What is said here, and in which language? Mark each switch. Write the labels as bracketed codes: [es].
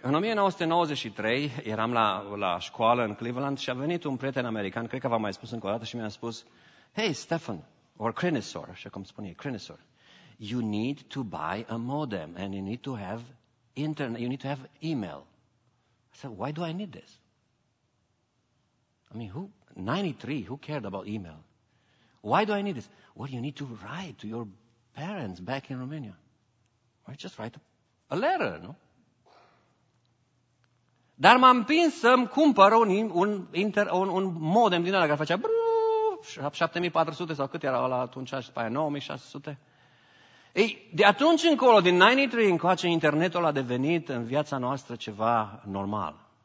[ro] În 1993 eram la școală în Cleveland și a venit un prieten american, cred că v-am mai spus încă o dată, și mi-a spus, hey, Stefan, or Crinisor, așa cum spune, Crinisor, [en] you need to buy a modem and you need to have internet, you need to have email. I said, why do I need this? I mean, who, 93, who cared about email? Why do I need this? Well, you need to write to your parents back in Romania. Why just write a letter, [ro] nu? Dar m-am împins să-mi cumpăr un modem din ăla care facea 7400 sau cât era ăla atunci și după aia 9600. Ei, de atunci încolo, din 93 încoace, internetul a devenit în viața noastră ceva normal.